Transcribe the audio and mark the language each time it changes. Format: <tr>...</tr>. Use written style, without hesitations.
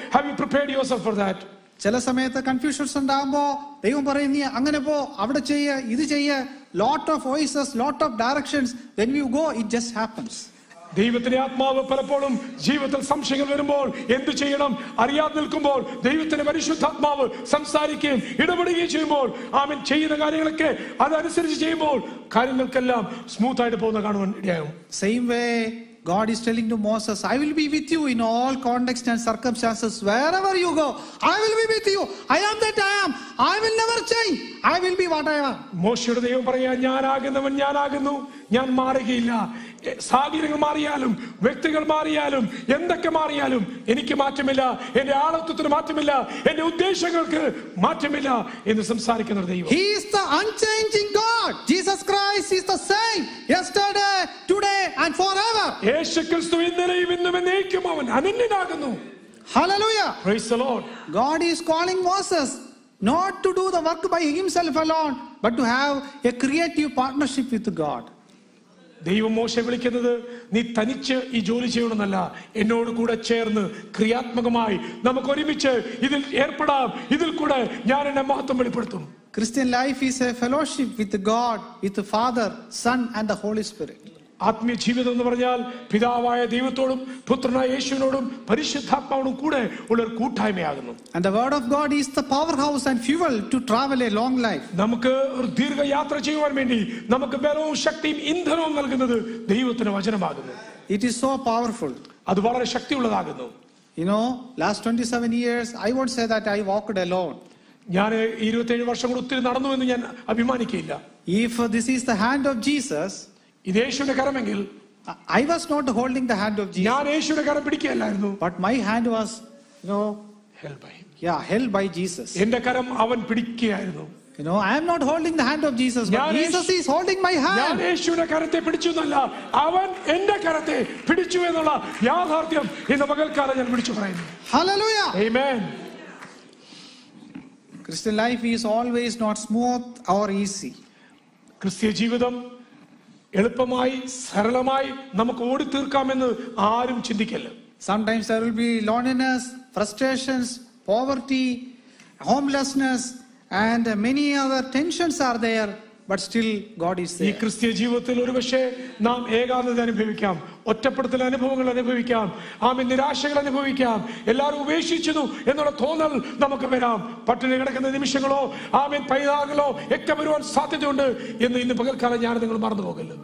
<en>Have you prepared yourself for that?</en> <ml>ചില സമയത്ത് confusions ഉണ്ടാകുമ്പോ ദൈവം പറയും, നീ അങ്ങനെ പോ, അവിടെ ചെയ്യ, ഇത് ചെയ്യ.</ml> <en>Lot of voices, lot of directions. When you go, it just happens.</en> <ml>ദൈവത്തിന്റെ ആത്മാവ് പലപ്പോഴും ജീവിതത്തിൽ സംശയങ്ങൾ വരുമ്പോൾ എന്ത് ചെയ്യണം അറിയാതെ നിൽക്കുമ്പോൾ ദൈവത്തിന്റെ പരിശുദ്ധാത്മാവ് സംസാരിക്കുകയും ഇടപെടുകയും ചെയ്യുമ്പോൾ ആമൻ ചെയ്യുന്ന കാര്യങ്ങളൊക്കെ അതനുസരിച്ച് ചെയ്യുമ്പോൾ കാര്യങ്ങൾക്കെല്ലാം സ്മൂത്ത് ആയിട്ട് പോകുന്ന കാണുവാൻ ഇടയാകും.</ml> <en>Same way God is telling to Moses, I will be with you in all context and circumstances. Wherever you go, I will be with you. I am that I am. I will never change. I will be what I am.</en> <ml>മോശയുടെ ദൈവം പറയാ, ഞാൻ ആകുന്നു, ഞാൻ മാറുകയില്ല. സാഹചര്യങ്ങൾ മാറിയാലും വ്യക്തികൾ മാറിയാലും എന്തൊക്കെ മാറിയാലും എനിക്ക് മാറ്റമില്ല, എന്റെ ആളത്വത്തിന് മാറ്റമില്ല, എന്റെ ഉദ്ദേശങ്ങൾക്ക് മാറ്റമില്ല എന്ന് സംസാരിക്കുന്ന ദൈവം.</ml> <en>He is the unchanging God. Jesus Christ is the same yesterday, today and forever.</en> <ml>യേശുക്രിസ്തു ഇന്നലെയും ഇന്നും എന്നേക്കും അവൻ അനന്യനാകുന്നു.</ml> <en>Hallelujah. Praise the Lord. God is calling Moses not to do the work by himself alone, but to have a creative partnership with God.</en> <ml>ദൈവം മോശയെ വിളിക്കുന്നത് നീ തനിച്ച് ഈ ജോലി ചെയ്യണമെന്നല്ല, എന്നോട് കൂടെ ചേർന്ന് ക്രിയാത്മകമായി നമുക്ക് ഒരുമിച്ച് ഇതിൽ ഏർപ്പെടാം, ഇതിൽ കൂടെ ഞാൻ എന്നെ മഹത്വം വെളിപ്പെടുത്തും.</ml> <en>Christian life is a fellowship with God, with Father, Son and the Holy Spirit.</en> <ml>ആത്മീയ ജീവിതം എന്ന് പറഞ്ഞാൽ പിതാവായ ദൈവത്തോടും പുത്രനായ യേശുവിനോടും പരിശുദ്ധാത്മാവോടും കൂടെ ഉള്ള ഒരു കൂട്ടായ്മയാകുന്നു.</ml> <en>And the word of God is the powerhouse and fuel to travel a long life.</en> <ml>നമുക്ക് ഒരു ദീർഘയാത്ര ചെയ്യുവാൻ വേണ്ടി നമുക്ക് ബലവും ശക്തിയും ഇന്ധനവും നൽകുന്നത് ദൈവത്തിന്റെ വചനമാകുന്നു.</ml> <en>It is so powerful.</en> <ml>അത് വളരെ ശക്തിയുള്ളതാകുന്നു.</ml> <en>You know, last 27 years I won't say that I walked alone.</en> <ml>ഞാൻ 27 വർഷം കൂടി ഒത്തിരി നടന്നു എന്ന് ഞാൻ അഭിമാനിക്കില്ല.</ml> <en>If this is the hand of Jesus, I was not holding the hand of Jesus. But my hand was, held by him. Yeah, held by Jesus.</en> <ml>എന്റെ കരം അവൻ പിടിക്കുകയായിരുന്നു.</ml> <en>You know, I am not holding the hand of Jesus, but Jesus is holding my hand.</en> <ml>ഞാൻ യേശുവിന്റെ കരത്തെ പിടിച്ചു എന്നല്ല, അവൻ എന്റെ കരത്തെ പിടിച്ചു എന്നുള്ള യാഥാർത്ഥ്യം ഇന്ന് പകൽക്കാലം ഞാൻ പിടിച്ചു പറയുന്നു.</ml> <en>Hallelujah. Amen. Christian life is always not smooth or easy.</en> <ml>ക്രിസ്തീയ ജീവിതം എളുപ്പമായി സരളമായി നമുക്ക് ഓടി തീർക്കാമെന്ന് ആരും ചിന്തിക്കല്ല.</ml> <en>Sometimes there will be loneliness, frustrations, poverty, homelessness and many other tensions are there, but still God is there.</en> <ml>ഈ ക്രിസ്തീയ ജീവിതത്തിൽ ഒരുപക്ഷേ നാം ഏകാന്തത അനുഭവിക്കാം, ഒറ്റപ്പെടുത്തൽ അനുഭവങ്ങൾ അനുഭവിക്കാം, ആമി നിരാശകൾ അനുഭവിക്കാം, എല്ലാവരും ഉപേക്ഷിച്ചു എന്നുള്ള തോന്നൽ നമുക്ക് വരാം. പട്ടിണി കിടക്കുന്ന നിമിഷങ്ങളോ ആമി പൈതാകളോ ഒക്കെ വരുവാൻ സാധ്യതയുണ്ട് എന്ന് ഇന്ന് പകൽക്കാലം ഞാൻ നിങ്ങൾ മറന്നു പോകല്ല.</ml>